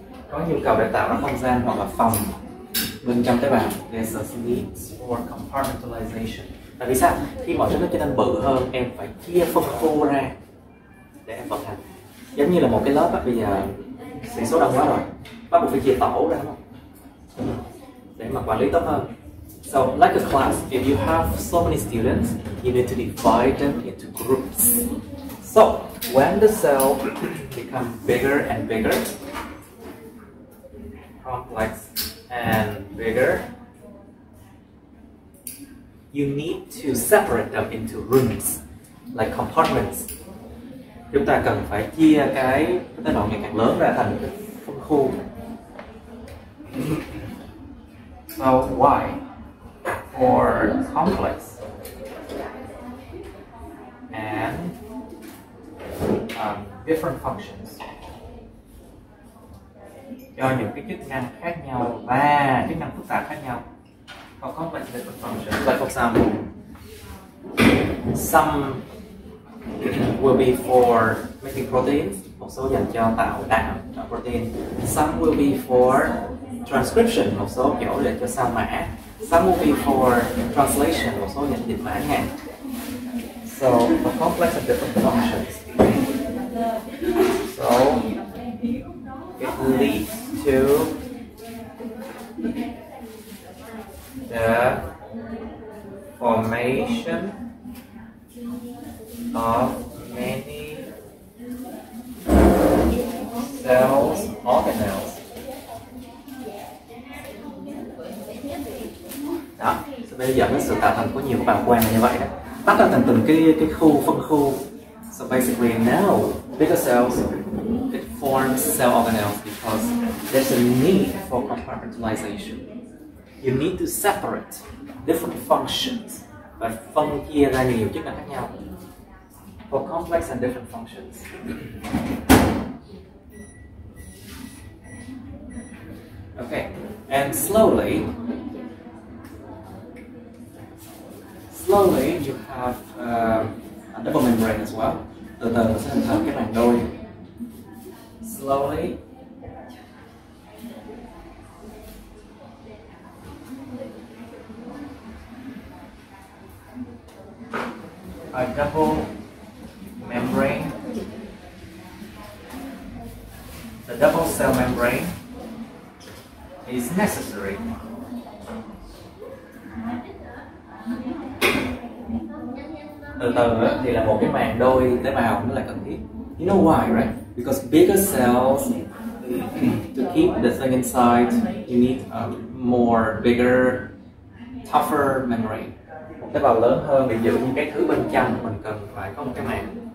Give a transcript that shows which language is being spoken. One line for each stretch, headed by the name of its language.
Vietnamese: Có nhu cầu để tạo ra không gian hoặc là phòng bên trong tế bào.
English: There's a need for compartmentalization.
Vietnamese: Tại vì sao? Khi mọi thứ nó trở nên bự hơn, em phải chia phân khu ra để em vận hành. Giống như là một cái lớp á, bây giờ sĩ số đông quá rồi, bắt buộc phải chia tổ ra, đúng không? Để mà quản lý tốt hơn.
English: So, like a class, if you have so many students, you need to divide them into groups. So, when the cell becomes bigger and bigger, complex and bigger, you need to separate them into rooms, like compartments.
Vietnamese: Chúng ta cần phải chia cái tế bào ngày càng lớn ra thành phân khu.
English: So why? For complex and different functions.
Vietnamese: Cho những cái chức năng khác nhau và chức năng phức tạp khác nhau.
English: For complex different functions. Like for example, some will be for making proteins.
Vietnamese: Một số dành cho tạo đạm, tạo protein.
English: Some will be for transcription,
Vietnamese: một số kiểu để cho sao mã.
English: Some will be for translation,
Vietnamese: một số nhận dịch mã ngang.
English: So, a complex of different functions. So, it leads to the formation of many cells, organelles.
Vietnamese: nó dẫn đến sự tạo thành của nhiều bàng quang như vậy đó. Tách ra thành từng cái khu phân khu.
English: So basically now, bigger cells it forms cell organelles because there's a need for compartmentalization. You need to separate different functions
Vietnamese: và phân chia ra nhiều chức năng khác nhau
English: for complex and different functions. Okay, and slowly you have a double membrane as well.
Vietnamese: Từ từ nó sẽ hình thành cái màng đôi.
English: Slowly. A double membrane. The double cell membrane is necessary.
Vietnamese: Từ từ thì là một cái màng đôi tế bào nó là cần thiết.
English: You know why, right? Because bigger cells, to keep the thing inside, you need a more bigger, tougher membrane.
Vietnamese: Một tế bào lớn hơn để giữ những cái thứ bên trong, mình cần phải có một cái màng